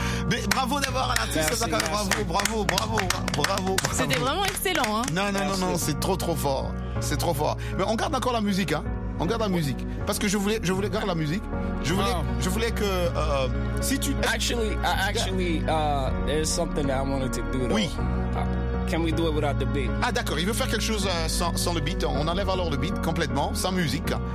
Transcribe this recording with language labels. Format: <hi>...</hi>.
<fr>Mais bravo d'avoir un artiste, merci, ça quand même. Bravo, bravo, bravo, bravo. C'était vraiment excellent. Hein. Non, c'est trop, trop fort. C'est trop fort. Mais on garde encore la musique, hein. On garde la musique parce que je voulais garder la musique. Je voulais que si tu</fr> <en>actually there's something that I wanted to do.</en> <fr>Oui.</fr> <en>Can we do it without the beat?</en> <fr>Ah d'accord, il veut faire quelque chose sans le beat. On enlève alors le beat complètement, sans musique.</fr>